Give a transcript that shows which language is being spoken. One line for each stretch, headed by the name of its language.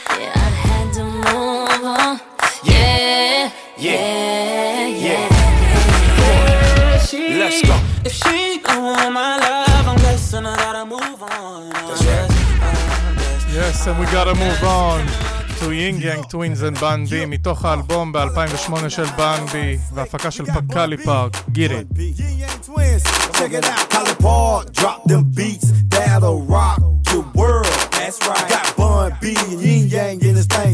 English: Yeah, I had to move on. Yeah. Let's go. If she don't want my love, I'm guessing I gotta move on. That's right. Yes, and we gotta move on to Ying Yang Twins and Bandy.
Hebrew: מתוך האלבום ב-2008 של בנבי והפקה של פקאלי פארק.
English: Get it. Ying Yang Twins, check it out. Pakali Park, drop them beats that'll rock the world. That's right. Got Bun B and Ying Yang in this thing.